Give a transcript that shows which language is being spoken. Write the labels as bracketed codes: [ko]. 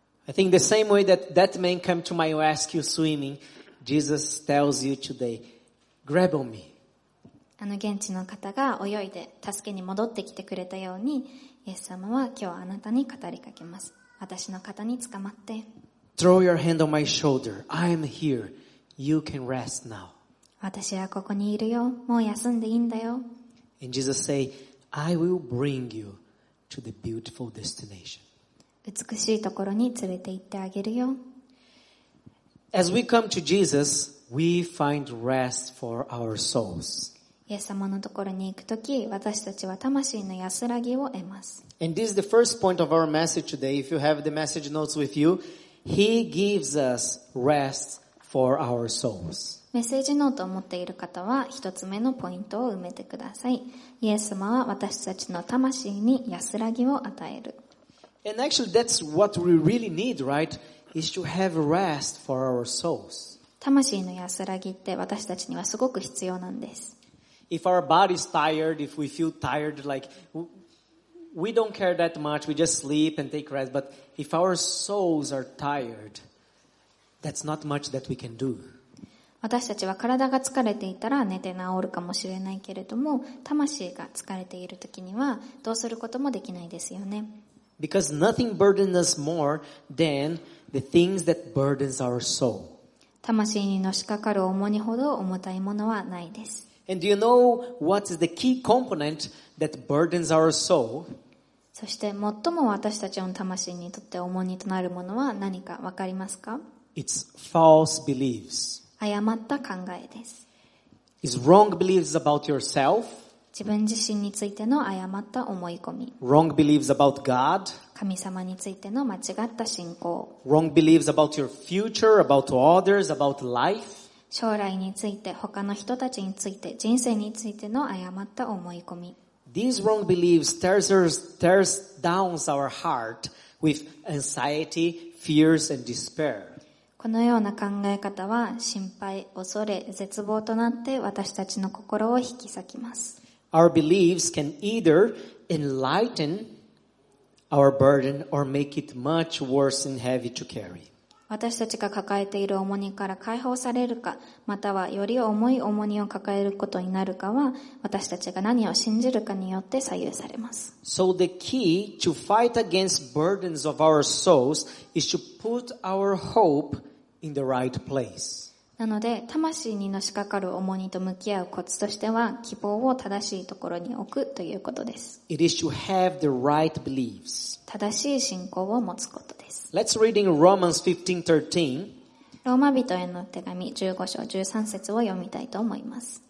[en] I think the same way that man came to my rescue swimming, Jesus tells you today, grab on me. [ja] あの現地の方が泳いで助けに戻ってきてくれたように、イエス様は今日あなたに語りかけます。私の肩に捕まって。 [en] Throw your hand on my shoulder. I am here.You can rest now. [ja] 私はここにいるよ。もう休んでいいんだよ。 [en] And Jesus say, I will bring you to the beautiful destination. [ja] 美しいところに連れて行ってあげるよ。 [en] As we come to Jesus, we find rest for our souls. [ja] イエス様のところに行くとき、私たちは魂の安らぎを得ます。 [en] And this is the first point of our message today. If you have the message notes with you, He gives us rest for our souls. [ja] メッセージノートを持っている方は一つ目のポイントを埋めてください。イエス様は私たちの魂に安らぎを与える。 [en] And actually that's what we really need, right? Is to have rest for our souls. [ja] 魂の安らぎって私たちにはすごく必要なんです。 [en] If our body is tired, if we feel tired, like we don't care that much, we just sleep and take rest. But if our souls are tired, that's not much that we can do. [ja] 私たちは体が疲れていたら寝て治るかもしれないけれども、魂が疲れているときにはどうすることもできないですよね。 [en] Because nothing burdens us more than the things that burdens our soul. [ja] 魂にのしかかる重荷ほど重たいものはないです。 [en] And do you know what is the key component that burdens our soul? [ja] そして最も私たちの魂にとって重荷となるものは何かわかりますか [en] ？It's false beliefs. [ja] 誤った考えです。 [en] Is wrong beliefs about yourself. [ja] 自分自身についての誤った思い込み。 [en] Wrong beliefs about God. [ja] 神様についての間違った信仰。 [en] Wrong beliefs about your future, about others, about life. [ja] 将来について、他の人たちについて、人生についての誤った思い込み。 [en] These wrong beliefs tears down our heart with anxiety, fears, and despair. [ja] このような考え方は心配、恐れ、絶望となって私たちの心を引き裂きます。 [en] Our beliefs can either enlighten our burden or make it much worse and heavy to carry. [ja] 私たちが抱えている重荷から解放されるか、またはより重い重荷を抱えることになるかは、私たちが何を信じるかによって左右されます。 [en] So the key to fight against burdens of our souls is to put our hopeIn the right place. [ja] なので、魂にのしかかる重荷と向き合うコツとしては、希望を正しいところに置くということです。 [en] It is to have the right beliefs. [ja] 正しい信仰を持つことです。 [en] Let's read in Romans 15:13. [ja] ローマ人への手紙15章13節を読みたいと思います。